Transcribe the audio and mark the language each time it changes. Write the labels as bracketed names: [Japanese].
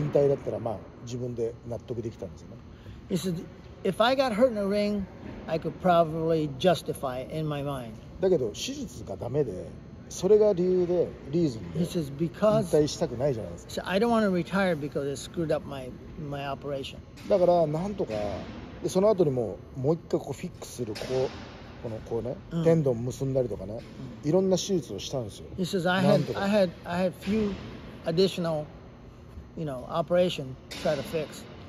[Japanese] だけど自分はリングの上で例えばインジュリーがあって引退だったら自分で納得できたんですよね。 [English] He said if I got hurt in a ring, I could probably justify it in my mind. [Japanese] だけど手術がダメで。それが理由で、リーズンで引退したくないじゃないですか。 [English] I don't want to retire because it screwed up my operation. [Japanese] だからなんとか、その後にもう一回こうフィックする、このこうね、テンドン結んだりとかね、いろんな手術をしたんですよ。 [English] He says I had few additional, you know, operation try to fix.